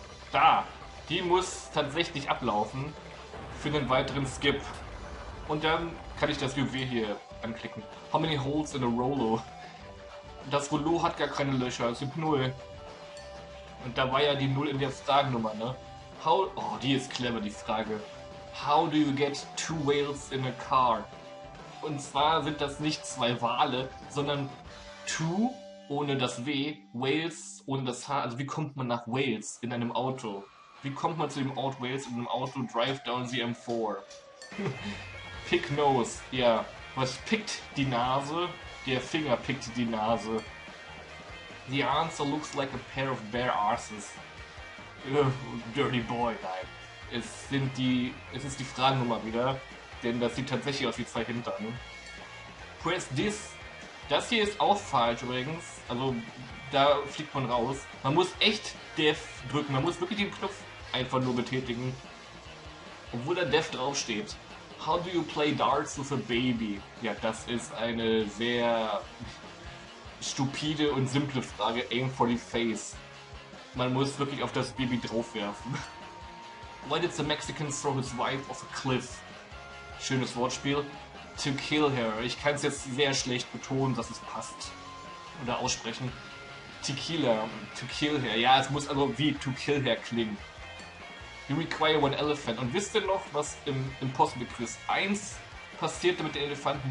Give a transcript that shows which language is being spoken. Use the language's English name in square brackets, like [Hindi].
[German] Da! Die muss tatsächlich ablaufen für einen weiteren Skip. Und dann kann ich das Juwel hier anklicken. [English] How many holes in a Rollo? [German] Das Rollo hat gar keine Löcher, es sind 0. Und da war ja die 0 in der Fragennummer, ne? Oh, die ist clever, die Frage. [English] How do you get 2 whales in a car? [German] Und zwar sind das nicht 2 Wale, sondern 2 ohne das W, Wales ohne das H. Also wie kommt man nach Wales in einem Auto? Wie kommt man zu dem Ort Wales in einem Auto? [English] Drive down the M4. Pick nose. [German] Ja, was pickt die Nase? Der Finger pickt die Nase. [English] The answer looks like a pair of bare arses. Dirty boy, [German] nein. Es ist die Fragennummer wieder. Denn das sieht tatsächlich aus wie 2 Hintern. [English] Press this. [German] Das hier ist auch falsch übrigens. Also, da fliegt man raus. Man muss echt Def drücken. Man muss wirklich den Knopf einfach nur betätigen. Obwohl da Def draufsteht. [English] How do you play darts with a baby? [German] Ja, das ist eine sehr stupide und simple Frage. [English] Aim for the face. [German] Man muss wirklich auf das Baby draufwerfen. [English] Why did the Mexican throw his wife off a cliff? [German] Schönes Wortspiel. [English] To kill her. [German] Ich kann es jetzt sehr schlecht betonen, dass es passt. Oder aussprechen. Tequila. [English] To kill her. [German] Ja, es muss also wie [English] to kill her [German] klingen. [English] You require one elephant. [German] Und wisst ihr noch, was im Impossible Quiz 1 passierte mit den Elefanten?